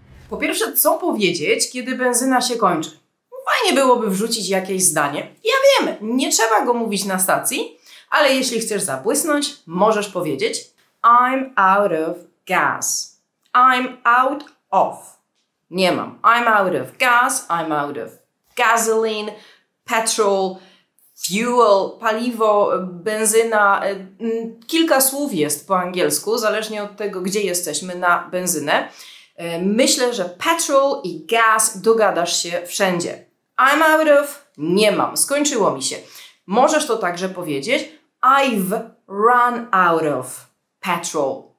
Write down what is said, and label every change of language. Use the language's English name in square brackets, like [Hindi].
[Polish] Po pierwsze, co powiedzieć, kiedy benzyna się kończy? Fajnie byłoby wrzucić jakieś zdanie. Ja wiem, nie trzeba go mówić na stacji, ale jeśli chcesz zabłysnąć, możesz powiedzieć: [English] I'm out of gas. I'm out of. [Polish] Nie mam. [English] I'm out of gas, I'm out of gasoline, petrol, fuel, [Polish] paliwo, benzyna. Kilka słów jest po angielsku, zależnie od tego, gdzie jesteśmy, na benzynę. Myślę, że petrol i gas dogadasz się wszędzie. [English] I'm out of. [Polish] Nie mam. Skończyło mi się. Możesz to także powiedzieć: [English] I've run out of petrol.